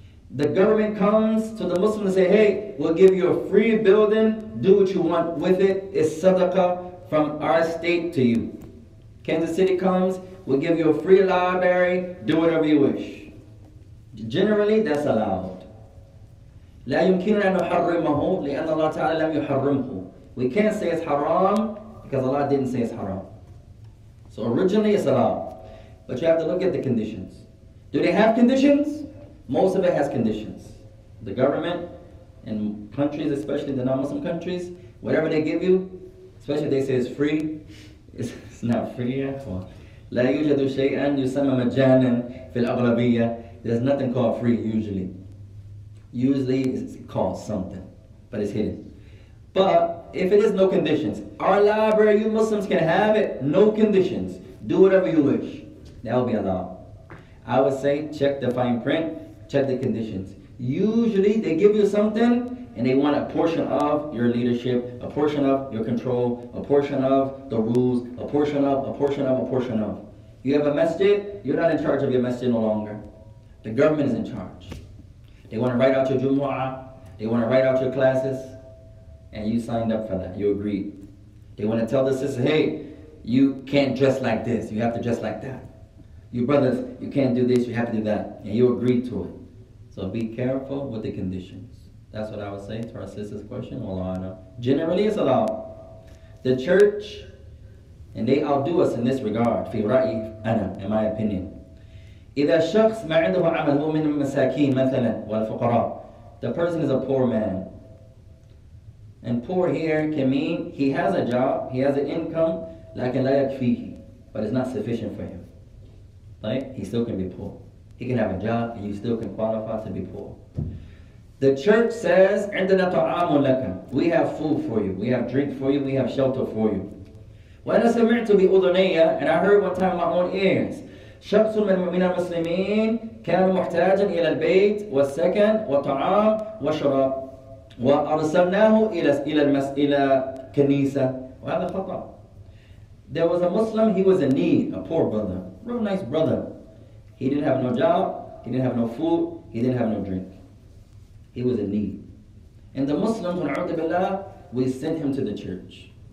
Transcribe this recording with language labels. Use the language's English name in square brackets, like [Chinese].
[English] The government comes to the Muslim and say, hey, we'll give you a free building, do what you want with it, it's sadaqah from our state to you. Kansas City comes, we'll give you a free library, do whatever you wish. Generally, that's allowed. [Arabic] لا يمكننا أن نحرمه لأن الله تعالى لم يحرمه. [English] We can't say it's haram because Allah didn't say it's haram. So originally it's allowed. But you have to look at the conditions. Do they have conditions? Most of it has conditions. The government and countries, especially the non-Muslim countries, whatever they give you, especially if they say it's free, it's not free yet. [Arabic] لا يوجد شيئا يسمى مجانا في الأغلبية. [English] There's nothing called free usually. Usually it's called something, but it's hidden. But if it is no conditions, our library, you Muslims can have it, no conditions. Do whatever you wish. That will be allowed. I would say, check the fine print, check the conditions. Usually, they give you something, and they want a portion of your leadership, a portion of your control, a portion of the rules, a portion of, a portion of, a portion of. You have a masjid, you're not in charge of your masjid no longer. The government is in charge. They want to write out your jumu'ah, they want to write out your classes, and you signed up for that, you agreed. They want to tell the sister, hey, you can't dress like this, you have to dress like that. You brothers, you can't do this, you have to do that. And you agree to it. So be careful with the conditions. That's what I would say to our sister's question. Wallahu a'lam. Generally, it's allowed. The church, and they outdo us in this regard. [Arabic] في رأي أنا, [English] in my opinion. [Arabic] إذا شخص ما عنده عمل هو من المساكين مثلا والفقراء. [English] The person is a poor man. And poor here can mean he has a job, he has an income, [Arabic] لكن لا يكفيه. [English] But it's not sufficient for him. He still can be poor. He can have a job and you still can qualify to be poor. The church says, [Arabic] عندنا طعام لك. [English] We have food for you. We have drink for you. We have shelter for you. [Arabic] وأنا سمعت بأذنية, [English] and I heard one time in my own ears, [Arabic] شخص من المسلمين كان محتاجا إلى البيت والسكن وطعام وشراب وأرسلناه إلى الكنيسة. وهذا خطأ. [English] There was a Muslim, he was in need, a poor brother. Real nice brother. He didn't have no job, he didn't have no food, he didn't have no drink. He was in need. And the Muslims, wal'udhu billah, we sent him to the church.